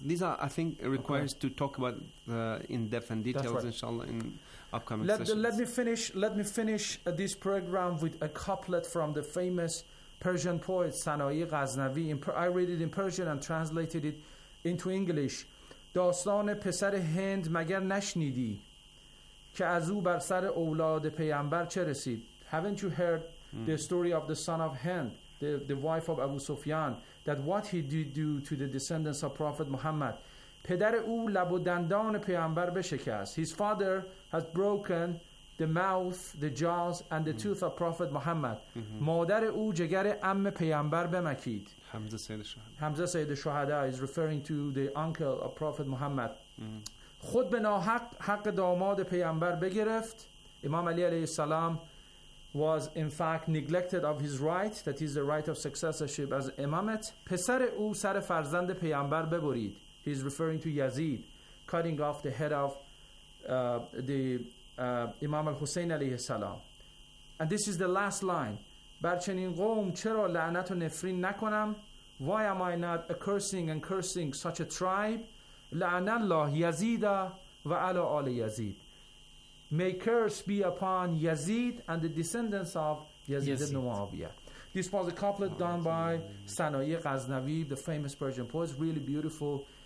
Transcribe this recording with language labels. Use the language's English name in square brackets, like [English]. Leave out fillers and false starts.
[English] These are, I think, requires okay. to talk about in depth and details, right. inshallah, in upcoming sessions. Let me finish this program with a couplet from the famous Persian poet Sanai Ghaznavi. I read it in Persian and translated it into English. [Persian] داستان پسر هند مگر نشنیدی که از او بر سر اولاد پیامبر چه رسید. [English] Haven't you heard the story of the son of Hind, the wife of Abu Sufyan, that what he did do to the descendants of Prophet Muhammad? [Persian] پدر او لب و دندان پیامبر بشکست. [English] His father has broken the mouth, the jaws, and the tooth of Prophet Muhammad. [Persian] مادر او جگر عم پیامبر بمکید. [English] Hamza Sayyid al-Shuhada is referring to the uncle of Prophet Muhammad. [Persian] خود به ناحق حق داماد پیامبر بگرفت. [English] Imam Ali alayhi salam was in fact neglected of his right, that is the right of successorship as imamate. [Persian] پسر او سر فرزند پیامبر ببرید. [English] He is referring to Yazid, cutting off the head of the Imam al-Hussein alayhi salam. And this is the last line. [Persian] بر چنین قوم چرا لعنت و نفرین نکنم. [English] Why am I not a cursing and cursing such a tribe? [Arabic] لعن الله یزید و علی آل یزید. [English] May curse be upon Yazid and the descendants of Yazid ibn Muawiyah. This was a couplet done by Sanai Ghaznavi, the famous Persian poet. Really beautiful.